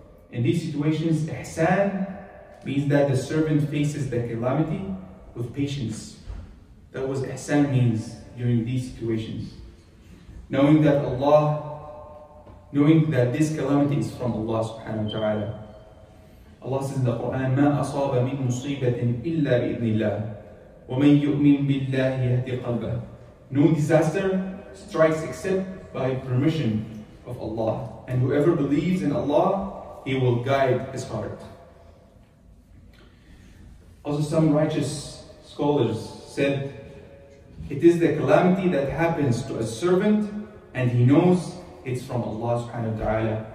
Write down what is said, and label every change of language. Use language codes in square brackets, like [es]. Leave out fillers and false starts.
[en] In these situations, ihsan means that the servant faces the calamity with patience. That was ihsan means during these situations, knowing that Allah knowing that this calamity is from Allah subhanahu wa ta'ala. Allah says in the Quran, [ar] ما أصاب من مصيبة إلا بإذن الله ومن يؤمن بالله يهدي قلبه. [en] No disaster strikes except by permission of Allah. And whoever believes in Allah, He will guide his heart. Also, some righteous scholars said, it is the calamity that happens to a servant and he knows it's from Allah subhanahu wa ta'ala.